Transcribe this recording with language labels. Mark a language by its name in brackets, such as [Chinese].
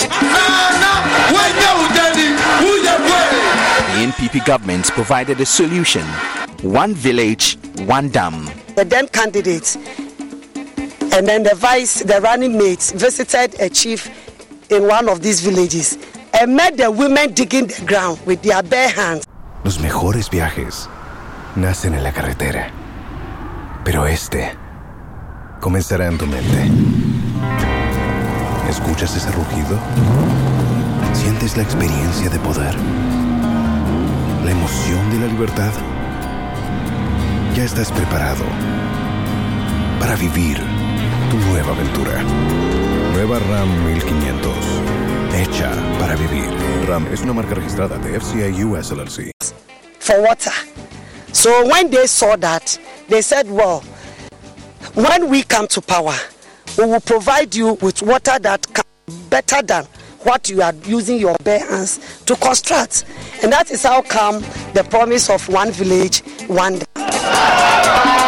[English] The NPP government provided a solution. One village, one dam. The dam candidate and then the vice, the running mate, visited a chief in one of these villages and met the women digging the ground with their bare hands. [Spanish] Los mejores viajes nacen en la carretera, pero este comenzará en tu mente. ¿Escuchas ese rugido? ¿Sientes la experiencia de poder? ¿La emoción de la libertad? Ya estás preparado para vivir tu nueva aventura. Nueva Ram 1500, hecha para vivir. Ram es una marca registrada de FCA US LLC. [English] For water. So when they saw that, they said, well, when we come to power, we will provide you with water that can be better than what you are using your bare hands to construct. And that is how come the promise of one village, one dam.